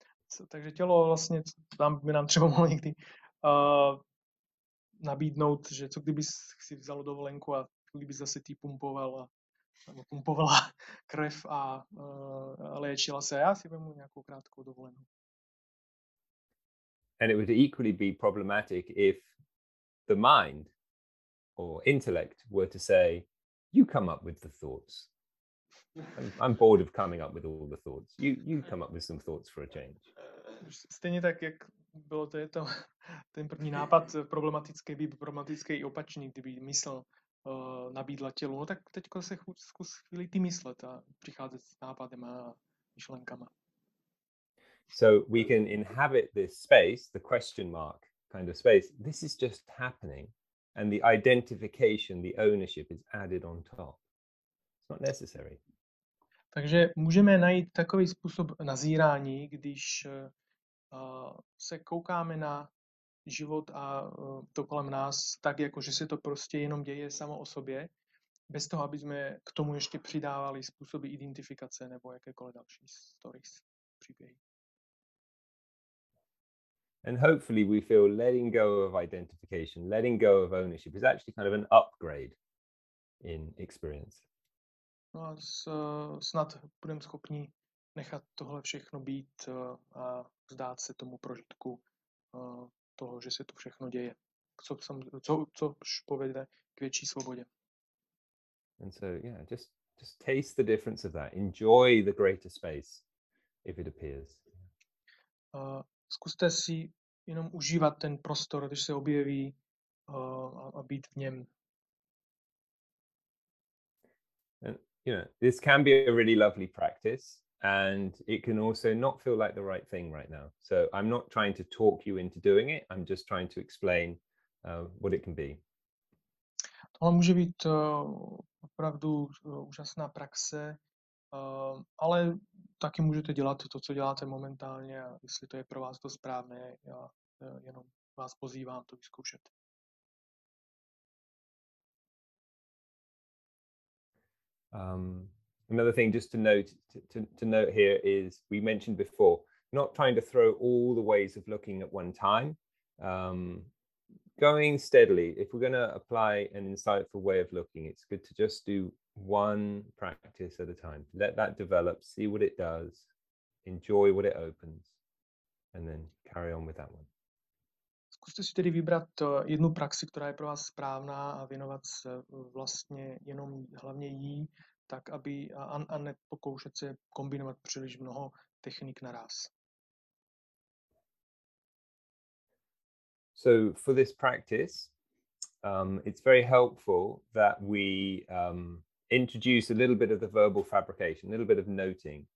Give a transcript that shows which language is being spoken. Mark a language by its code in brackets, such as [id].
[cs] So, takže tělo vlastně tam by nám třeba mohlo někdy nabídnout, že co kdyby si vzalo dovolenku a kdyby zase ty pumpovala krev a léčila se. A já si vezmu nějakou krátkou dovolenku. [en] And it would equally be problematic if the mind or intellect were to say, you come up with the thoughts. I'm bored of coming up with all the thoughts. You come up with some thoughts for a change. [cs] Stejně tak, jak bylo to, je to ten první nápad problematický, by problematický i opačný, kdyby mysl nabídla tělu. No tak teďko se zkus chvíli ty myslet a přicházet s nápadem a myšlenkama. [en] So we can inhabit this space, the question mark kind of space. This is just happening, and the identification, the ownership is added on top. It's not necessary. [cs] Takže můžeme najít takový způsob nazírání, když se koukáme na život a to kolem nás tak, jako že se to prostě jenom děje samo o sobě, bez toho, aby jsme k tomu ještě přidávali způsoby identifikace nebo jakékoliv další stories, příběhy. [en] And hopefully we feel letting go of identification, letting go of ownership is actually kind of an upgrade in experience. [cs] No a snad budeme schopni nechat tohle všechno být a vzdát se tomu prožitku toho, že se to všechno děje. Co povede k větší svobodě. [en] And so, yeah, just taste the difference of that. Enjoy the greater space if it appears. [cs] Zkuste si jenom užívat ten prostor, když se objeví a být v něm. [en] You know, this can be a really lovely practice, and it can also not feel like the right thing right now. So I'm not trying to talk you into doing it. I'm just trying to explain what it can be. [cs] Tohle může být opravdu úžasná praxe, ale taky můžete dělat to, co děláte momentálně, a jestli to je pro vás to správné, já jenom vás pozývám to vyzkoušet. [en] Another thing just to note here is we mentioned before, not trying to throw all the ways of looking at one time, going steadily. If we're going to apply an insightful way of looking, it's good to just do one practice at a time. Let that develop, see what it does, enjoy what it opens, and then carry on with that one. [cs] Zkuste si tedy vybrat jednu praxi, která je pro vás správná, a věnovat se vlastně jenom hlavně jí, tak aby a nepokoušet se kombinovat příliš mnoho technik naraz. [en] So for this practice, it's very helpful that we introduce a little bit of the verbal fabrication, a little bit of noting.